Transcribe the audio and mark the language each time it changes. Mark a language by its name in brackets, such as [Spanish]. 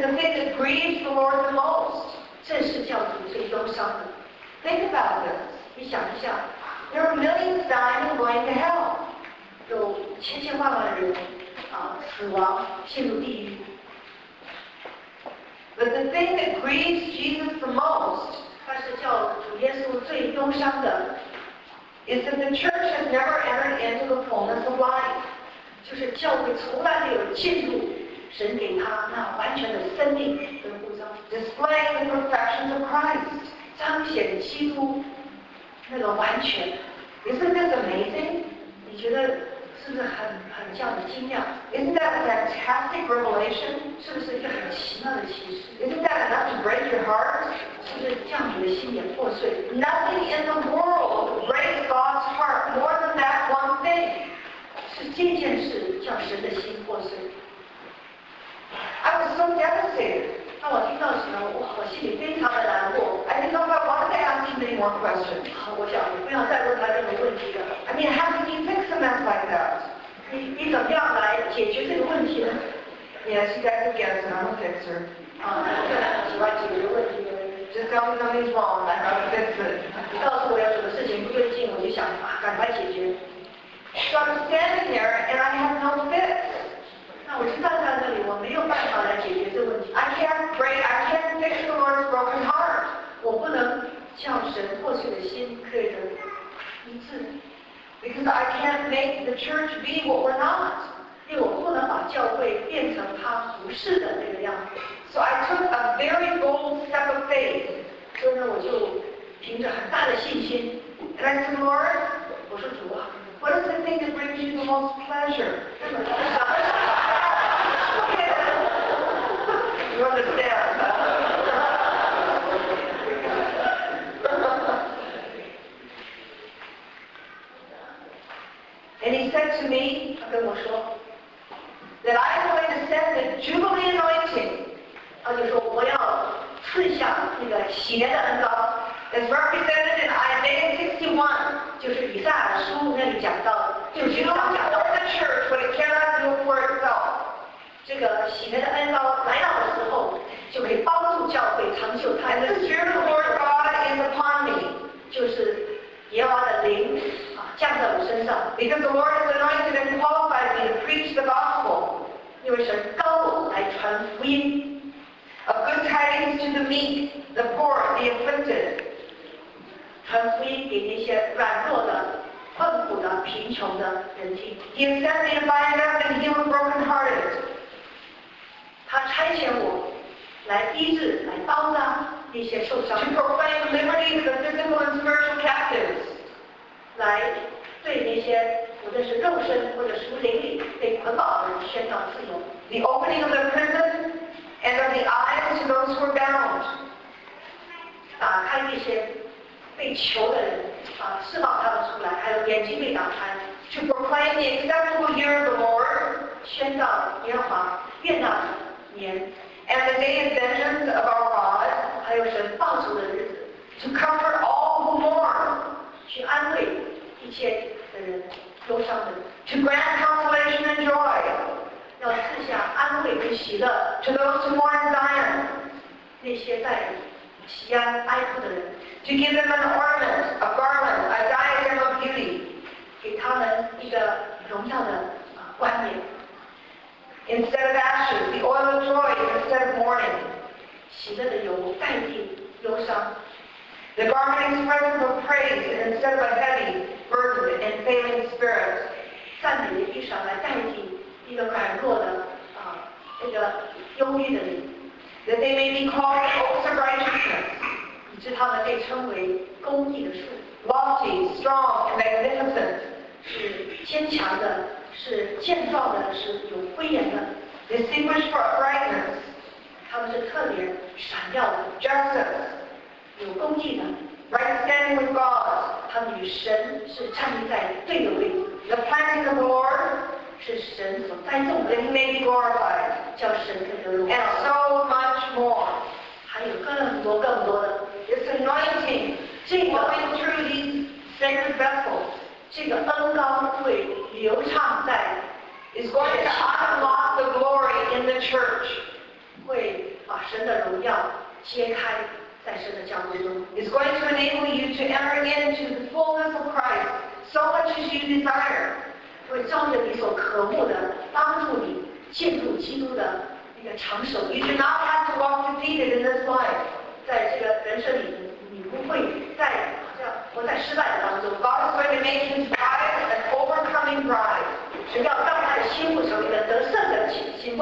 [English] This is the thing that grieves the Lord the most. [Chinese] 这是教主最忧伤的。 [English] Think about this. [Chinese] 你想一下。 [English] There are millions dying and going to hell. [Chinese] 有千千万万的人死亡陷入地狱。 [English] But the thing that grieves Jesus the most. [Chinese] 它是教主耶稣最忧伤的。 [English] Is that the church has never entered into the fullness of life. [Chinese] 就是教会从来没有进入神给他那完全的生命跟呼召。 [English] Display the perfections of Christ， [Chinese] 彰显基督那个完全。 [English] Isn't this amazing？ [Chinese] 你觉得是不是很叫你惊讶 [English] ？Isn't that a fantastic revelation？ [Chinese] 是不是一个很奇妙的启示 [English] ？Isn't that enough to break your heart？ [Chinese] 是不是叫你的心也破碎 [English] ？Nothing in the world breaks God's heart more than that one thing。 [Chinese] 是这件事叫神的心破碎。 [English] I was so devastated。 [Chinese] 当我听到时呢，我心里非常的难过。 [English] I didn't know if I wanted to ask him any more questions。 [Chinese] 好，我想不要再问他任何问题了。 [English] I mean, how can you fix a mess like that？ [Chinese] 你怎么样来解决这个问题呢 [English] ？Yes, you guys can guess, I'm a fixer。 [Chinese] 喜欢解决问题。 [English] Just tell me something's wrong, I'll fix it。 [Chinese] 你告诉我有什么事情不对劲，我就想赶快解决。 [English] So I'm standing there and I have no fix. [Chinese] 那我就站在那里，我没有办法来解决这个问题。 [English] I can't fix the Lord's broken heart. [Chinese] 我不能叫神破碎的心可以得医治。 [English] Because I can't make the church be what we're not. [Chinese] 因为我不能把教会变成他不是的那个样子。 [English] So I took a very bold step of faith. [Chinese] 所以呢，我就凭着很大的信心。 [English] And I said, Lord, [Chinese] 我说主啊。 [English] What is the thing that brings you the most pleasure? You understand? And he said to me, [Chinese] 他跟我说, [English] that I am going to send the Jubilee anointing. [Chinese] 他就说我要赐下那个喜年的恩膏。 [English] It's represented in Isaiah 61. [Chinese] 就是以赛亚书那里讲到，就是主要讲到 [English] the church when it cannot do for itself. [Chinese] 这个喜悦的恩膏来到的时候，就可以帮助教会成就他。 [English] The Spirit of the Lord God is upon me. [Chinese] 就是耶和华的灵降在我身上。 [English] Because the Lord has anointed and qualified me to preach the gospel. [Chinese] 因为神高我来传福音。 [English] Of good tidings to the meek, the poor, the afflicted. [Chinese] 传福音给那些软弱的、困苦的、贫穷的人听。 [English] He sent me to bind up and heal brokenhearted. [Chinese] 他差遣我来医治、来包扎那些受伤。 [English] To proclaim liberty to the physical and spiritual captives. [Chinese] 来对那些无论是肉身或者属灵里被捆绑的人宣告自由。 [English] The opening of the prison. And of the eyes to those who are bound. [Chinese] 打开那些被囚的人，释放他们出来，还有眼睛被打开。 [English] To proclaim the acceptable year of the Lord. [Chinese] 宣告耶和华悦纳的年。 [English] And the day of vengeance of our God. [Chinese] 还有神报仇的日子。 [English] To comfort all who mourn. [Chinese] 去安慰一切的人，忧伤的人。 [English] To grant consolation and joy. [Chinese] 要赐下安慰跟喜乐 [English] ，to those who mourn Zion， [Chinese] 那些在西安哀哭的人 [English] ，to give them an ornament, a garland, a diadem of beauty， [Chinese] 给他们一个荣耀的冠冕。 [English] Instead of ashes, the oil of joy, instead of mourning. [Chinese] 喜乐的油代替忧伤。 [English] The garment expressive of praise, instead of a heavy, burdened, and failing spirit. [Chinese] 赞美的衣裳来代替一个软弱的这个忧郁的灵。 [English] That they may be called oaks of righteousness. [Chinese] 以致他们被称为公义的树。 [English] Lofty, strong, and magnificent. [Chinese] 是坚强的。是建造的，是有威严的。 [English] Distinguished for uprightness， [Chinese] 他们是特别闪耀的。 [English] Justice， [Chinese] 有公义的。 [English] Right standing with God， [Chinese] 他们与神是站立在对的位置。 [English] The planting of the Lord， [Chinese] 是神所栽种的。 [English] That He may be glorified， [Chinese] 叫神可得荣 [English] 耀。And so much more， [Chinese] 还有更多更多的。 [English] This anointing， [Chinese] 这个 [English] going through these sacred vessels。 [Chinese] 这个恩膏会流畅在 [English] ，is going to unlock the glory in the church， [Chinese] 会把神的荣耀揭开在神的教会中。 [English] Is going to enable you to enter into the fullness of Christ， so much as you desire， [Chinese] 会照着你所渴慕的帮助你进入基督的那个长寿。 [English] You do not have to walk defeated in this life， [Chinese] 在这个人生里你不会再。我在失败当中 [English] ，God is going to make His bride an overcoming bride， [Chinese] 神要让他的心腹成为一个得胜的心腹